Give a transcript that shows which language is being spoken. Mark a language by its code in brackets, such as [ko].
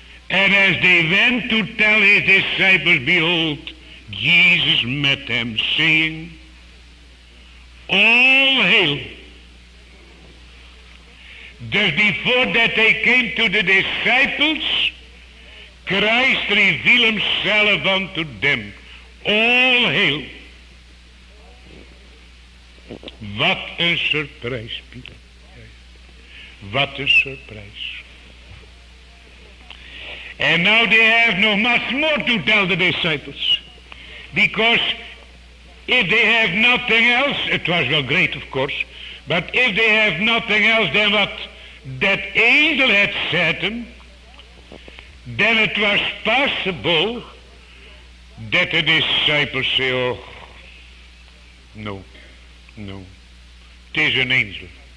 [en] And as they went to tell his disciples, behold, Jesus met them, saying, all hail. Just before that they came to the disciples, Christ revealed himself unto them. All hail. [nl] Wat een surprise, Pieter. Wat een surprise. [en] And now they have no much more to tell the disciples. Because if they have nothing else, it was well great of course, but if they have nothing else than what that angel had said them, then it was possible that the disciples say, oh, no, no, it is an angel.